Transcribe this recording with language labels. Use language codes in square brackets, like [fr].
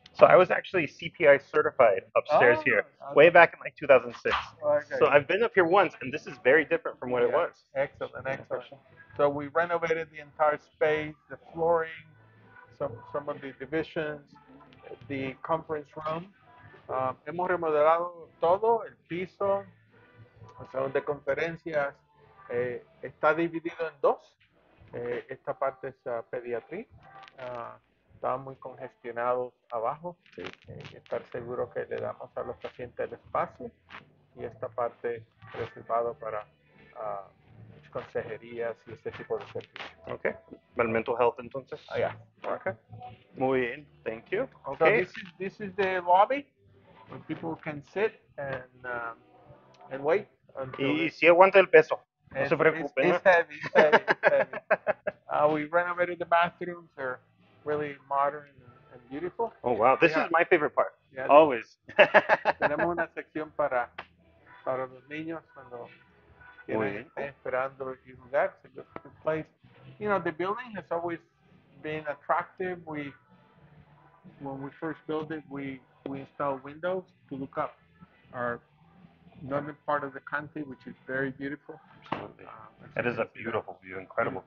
[en] So I was actually CPI certified upstairs here, okay. Way back in like 2006. Okay. So I've been up here once, and this is very different from what it was. Excellent, excellent. So we renovated the entire space, the flooring, some of the divisions, the conference room. [es] Hemos remodelado todo, el piso, el salón de conferencias. Está dividido en dos. Esta parte es pediatría. Estaba muy congestionado abajo. Sí. Estar seguro que le damos a los pacientes el espacio y esta parte reservado para consejerías y este tipo de servicios. [en] Okay. Mental health, entonces. Oh, yeah. Okay. [es] Muy bien. [en] Thank you. Okay. So this is the lobby where people can sit and wait. [es] Y si aguanta el peso. No se preocupen. [en] It's heavy. It's heavy. It's heavy. We renovated the bathrooms. They're really modern and beautiful. Oh, wow. This is my favorite part. Yeah, always. [es] Tenemos una sección para los niños cuando tienen esperando y jugar. [en] It's a good place. You know, the building has always been attractive. When we first built it, we installed windows to look up our northern part of the country, which is very beautiful. Absolutely. It is a beautiful view. Incredible.